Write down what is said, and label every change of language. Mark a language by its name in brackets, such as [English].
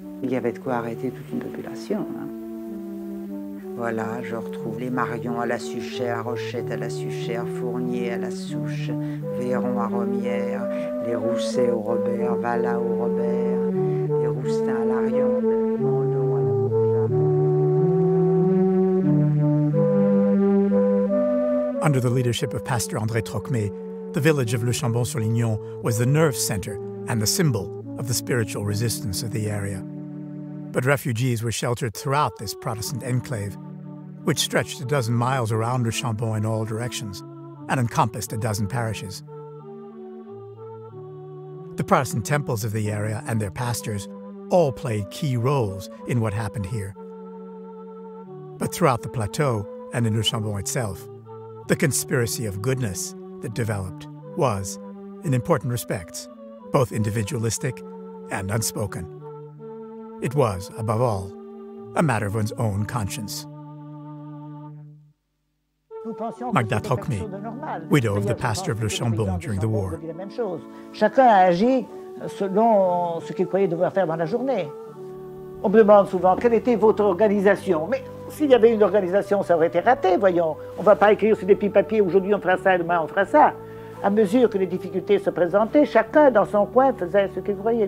[French] Il y avait de quoi arrêter toute une population. Hein. Voilà, je retrouve les Marion à la Suchère, Rochette à la Suchère, Fournier à la Souche, Véron à Romière, les Rousset au Robert, Valla au Robert, les Roustin à Larion, Mandon à la Bourgeois. [English] Under the leadership of Pasteur André Trocmé, The village of Le Chambon-sur-Lignon was the nerve center and the symbol of the spiritual resistance of the area. But refugees were sheltered throughout this Protestant enclave, which stretched a dozen miles around Le Chambon in all directions and encompassed a dozen parishes. The Protestant temples of the area and their pastors all played key roles in what happened here. But throughout the plateau and in Le Chambon itself, the conspiracy of goodness that developed was, in important respects, both individualistic and unspoken. It was, above all, a matter of one's own conscience. Magda Trocmi, widow of the pastor of Le Chambon during the war. [French] Chacun a agi selon ce qu'il croyait devoir faire dans la journée. On me demande souvent quelle était votre organisation. Mais s'il y avait une organisation, ça aurait été raté, voyons. On ne va pas écrire sur des petits papiers aujourd'hui on fera ça et demain on fera ça. À mesure que les difficultés se présentaient, chacun dans son coin faisait ce qu'il croyait.